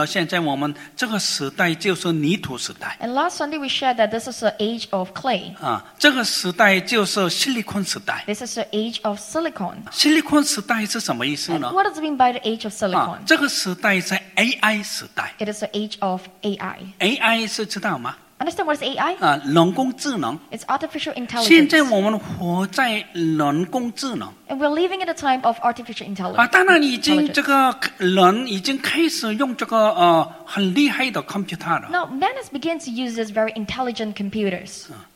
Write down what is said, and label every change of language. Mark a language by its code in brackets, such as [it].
[zh] 那么上个礼拜天我们已经分享了，现在我们这个时代就是泥土时代。 [en] And last Sunday we shared that this is the age of clay. [zh] 这个时代就是silicon时代。 [en] This is the age of silicon. [zh] silicon时代是什么意思呢？ [en] What does it mean by the age of silicon? [zh] 这个时代是AI时代。 [en] It is the age of AI. [zh] AI是知道吗？ [en] Understand what is AI? [zh] 人工智能。 [en] It's artificial intelligence. [zh] 现在我们活在人工智能。 [en] And we're living in a time of artificial intelligence. [zh] 当然已经这个人已经开始用这个很厉害的 computer 了。 [en] Now, man has begun to use these very intelligent computers.